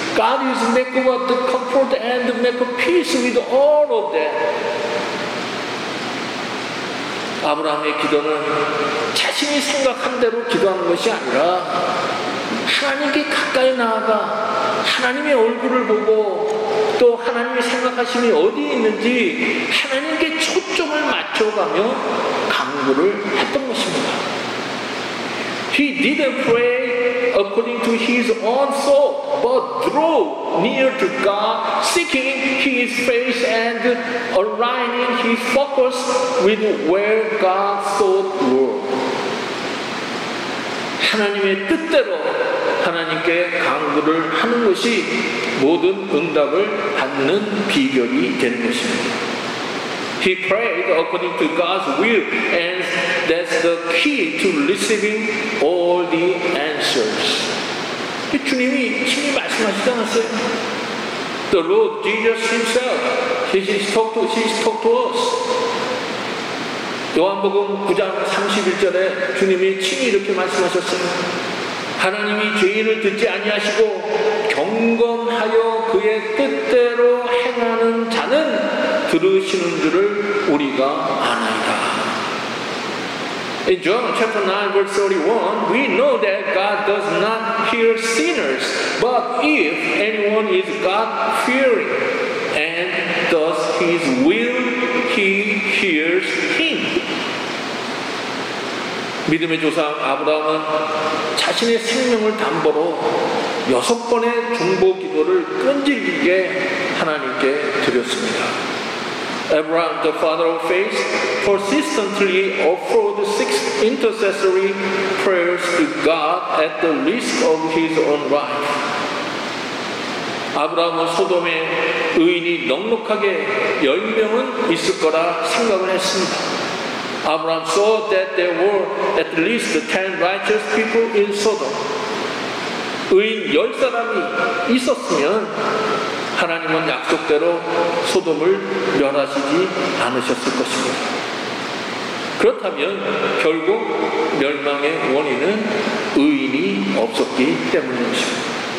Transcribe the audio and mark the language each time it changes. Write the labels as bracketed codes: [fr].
[en] God is make what the comfort and make a peace with all of them. [ko] 아브라함의 기도는 자신이 생각한 대로 기도하는 것이 아니라 하나님께 가까이 나아가 하나님의 얼굴을 보고 또 하나님의 생각하심이 어디 있는지 하나님께 초점을 맞춰가며 간구를 했던 것입니다. [en] He didn't pray according to his own thought, but drew near to God, seeking his face and aligning his focus with where God thought were. [ko] 하나님의 뜻대로 하나님께 간구를 하는 것이 모든 응답을 받는 비결이 되는 것입니다. [en] He prayed according to God's will, and that's the key to receiving all the answers. [ko] 주님이 친히 말씀하시지 않았어요? [en] The Lord Jesus Himself, He's talked to us. [ko] 요한복음 9장 31절에 주님이 친히 이렇게 말씀하셨어요. 하나님이 죄인을 듣지 아니하시고 경건하여 그의 뜻대로 행하는 자는 들으시는 줄을 우리가 아나이다. [en] In John chapter 9 verse 31, we know that God does not hear sinners, but if anyone is God-fearing and does his will, he hears him. [ko] 믿음의 조상 아브라함은 자신의 생명을 담보로 여섯 번의 중보 기도를 끈질기게 하나님께 드렸습니다. [en] Abraham, the father of faith, persistently offered six intercessory prayers to God at the risk of his own life. [ko] 아브라함은 소돔에 의인이 넉넉하게 10명은 있을 거라 생각을 했습니다. [en] Abraham saw that there were at least 10 righteous people in Sodom. [ko] 의인 열 사람이 있었으면 하나님은 약속대로 소돔을 멸하시지 않으셨을 것입니다. 그렇다면 결국 멸망의 원인은 의인이 없었기 때문입니다.